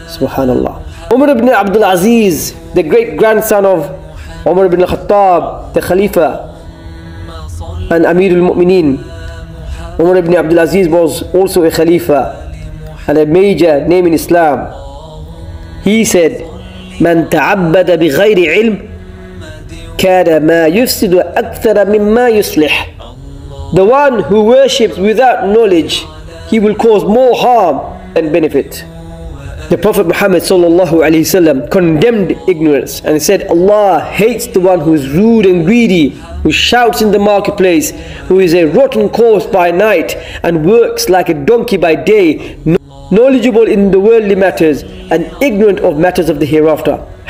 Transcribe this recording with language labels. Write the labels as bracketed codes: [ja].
[en] Subhanallah. Umar ibn Abdul Aziz, the great grandson of Umar ibn al-Khattab, the Khalifa and Amir al-Mu'mineen. Umar ibn Abdul Aziz was also a Khalifa and a major name in Islam. He said, [ar] من تعبد بغير علم كان ما يفسد أكثر مما يصلح. [en] The one who worships without knowledge, he will cause more harm and benefit. The Prophet Muhammad sallallahu alaihi wasallam condemned ignorance and said, Allah hates the one who is rude and greedy, who shouts in the marketplace, who is a rotten corpse by night and works like a donkey by day, knowledgeable in the worldly matters and ignorant of matters of the hereafter.